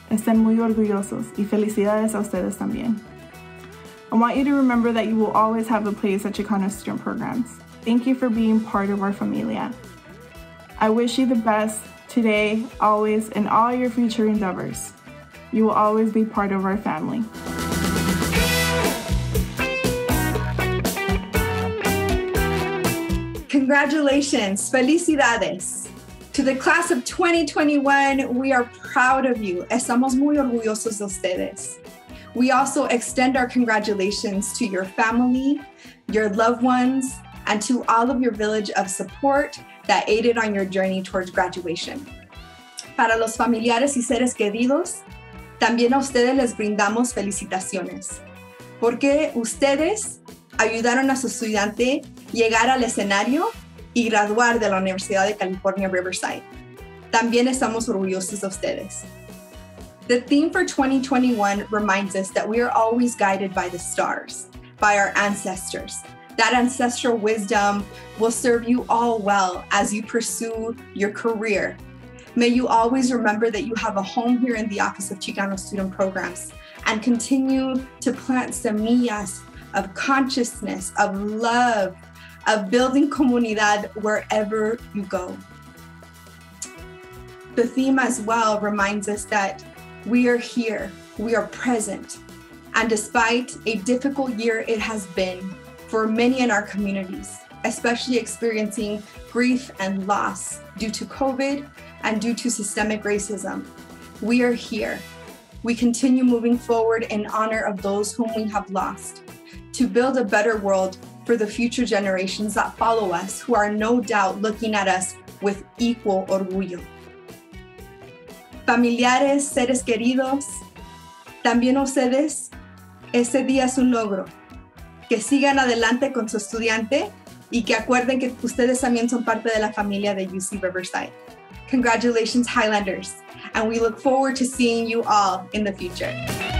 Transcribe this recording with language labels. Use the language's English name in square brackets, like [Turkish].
[Spanish] Estén muy orgullosos y felicidades a ustedes también. [English] I want you to remember that you will always have a place at Chicano Student Programs. Thank you for being part of our familia. I wish you the best today, always, and all your future endeavors. You will always be part of our family. Congratulations, felicidades. To the class of 2021, we are proud of you. [Spanish] Estamos muy orgullosos de ustedes. [English] We also extend our congratulations to your family, your loved ones, and to all of your village of support that aided on your journey towards graduation. [Spanish] Para los familiares y seres queridos, también a ustedes les brindamos felicitaciones, porque ustedes ayudaron a su estudiante llegar al escenario y graduar de la Universidad de California, Riverside. También estamos orgullosos de ustedes. [English] The theme for 2021 reminds us that we are always guided by the stars, by our ancestors. That ancestral wisdom will serve you all well as you pursue your career. May you always remember that you have a home here in the Office of Chicano Student Programs and continue to plant semillas of consciousness, of love, of building comunidad wherever you go. The theme as well reminds us that we are here, we are present, and despite a difficult year it has been for many in our communities, especially experiencing grief and loss due to COVID and due to systemic racism, we are here. We continue moving forward in honor of those whom we have lost to build a better world for the future generations that follow us, who are no doubt looking at us with equal orgullo. [Spanish] Familiares, seres queridos, también ustedes, ese día es un logro. Que sigan adelante con su estudiante y que acuerden que ustedes también son parte de la familia de UC Riverside. [English] Congratulations, Highlanders, and we look forward to seeing you all in the future.